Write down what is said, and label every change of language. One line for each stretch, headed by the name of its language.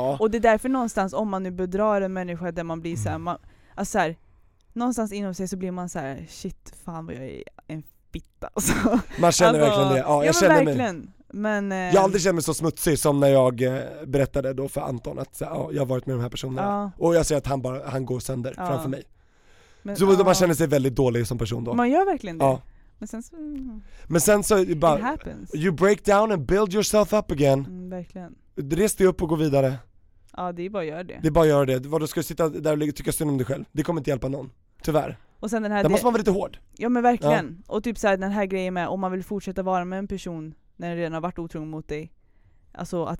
Swedish: Och det är därför någonstans om man nu bedrar en människa där man blir så här, man, alltså så här, någonstans inom sig så blir man så här, shit, fan vad jag är en fitta. Alltså. Man känner alltså, verkligen det. Ja, jag känner verkligen. Mig. Men, jag har aldrig känt mig så smutsig som när jag berättade då för Anton att så, ja, jag har varit med de här personerna. Ja. Och jag ser att han, bara, han går sönder ja. Framför mig. Men, så ja. Man känner sig väldigt dålig som person då. Man gör verkligen det. Ja. Men sen så, men sen så bara,
English: it happens. You break down and build yourself up again.
Swedish: Mm, verkligen. Res dig upp och gå vidare. Ja, det är bara att göra det. Det är bara göra det. Vad, du ska sitta där och tycka synd om dig själv. Det kommer inte hjälpa någon. Tyvärr. Och sen den här där måste man vara lite hård. Ja, men verkligen. Ja. Och typ så här, den här grejen med om man vill fortsätta vara med en person när den redan har varit otrogen mot dig. Alltså att